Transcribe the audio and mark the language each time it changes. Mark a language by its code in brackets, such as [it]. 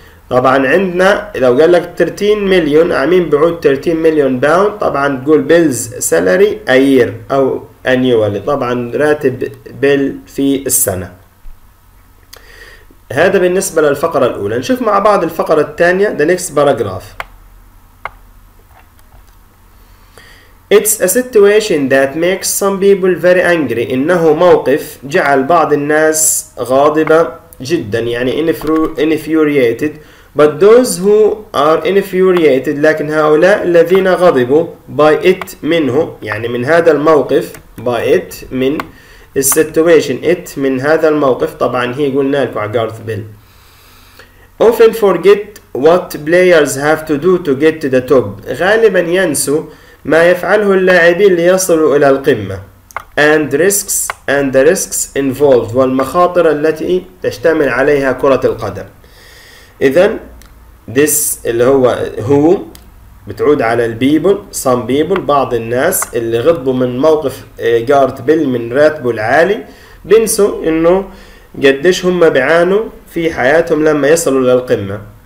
[ar] طبعا عندنا لو قال لك 13 مليون، على مين بيعود 13 مليون باوند؟ طبعا تقول [en] Bill's salary year او annually, [ar] طبعا راتب بيل في السنه. هذا بالنسبة للفقرة الأولى. نشوف مع بعض الفقرة الثانية. [en] The next paragraph. It's a situation that makes some people very angry. [ar] إنه موقف جعل بعض الناس غاضبة جدا، يعني [en] infuriated. But those who are infuriated، [ar] لكن هؤلاء الذين غضبوا [en] by it [ar] منه، يعني من هذا الموقف، by it من [en] situation it [ar] من هذا الموقف. طبعا هي قلنا لكم على جارث بيل. [en] Often forget what players have to do to get to the top. [ar] غالبا ينسوا ما يفعله اللاعبين ليصلوا الى القمة. [en] And the risks involved، [ar] والمخاطر التي تشتمل عليها كرة القدم. اذا [en] this [ar] اللي هو [en] who [ar] بتعود على البيبل، [en] some people, [ar] بعض الناس اللي غضبوا من موقف جارت بيل من راتبه العالي، بنسوا انه قديش هم بيعانوا في حياتهم لما يصلوا للقمة.